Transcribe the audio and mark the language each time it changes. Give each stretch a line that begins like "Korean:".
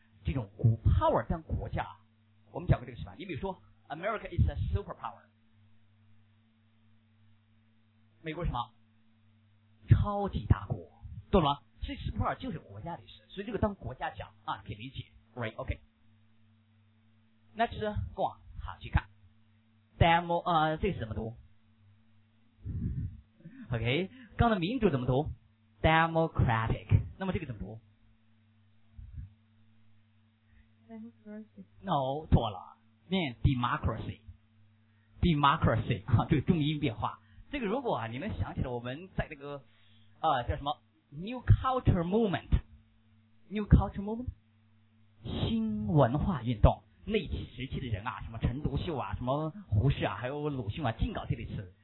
Chinese: 这种 power 当国家，我们讲过这个事吧。你比如说
English: America is a superpower，
Chinese: 美国什么超级大国，懂了吗？所以 superpower 就是国家的意思，所以这个当国家讲啊，可以理解 right？ OK，
English: next go on，
Chinese: 好去看 demo， 这是怎么读？ OK， 刚才民主怎么读？ democratic， 那么这个怎么读？ No， 错了，念 democracy， democracy 哈、啊，这个重音变化。这个如果啊，你能想起来，我们在那个叫什么
English: new culture movement， new culture movement，
Chinese: 新文化运动那时期的人啊，什么陈独秀啊，什么胡适啊，还有鲁迅啊，尽搞这类词。